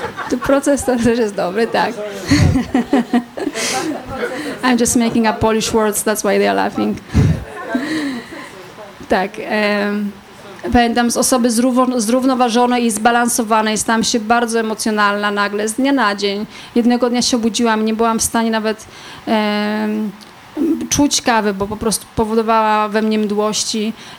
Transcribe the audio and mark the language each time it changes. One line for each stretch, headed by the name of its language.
Polish: To proces to też jest dobry, tak.
English: I'm just making up Polish words, that's why they are laughing.
Polish: Tak. Pamiętam, z osoby zrównoważonej i zbalansowanej stałam się bardzo emocjonalna nagle, z dnia na dzień. Jednego dnia się obudziłam, nie byłam w stanie nawet czuć kawy, bo po prostu powodowała we mnie mdłości.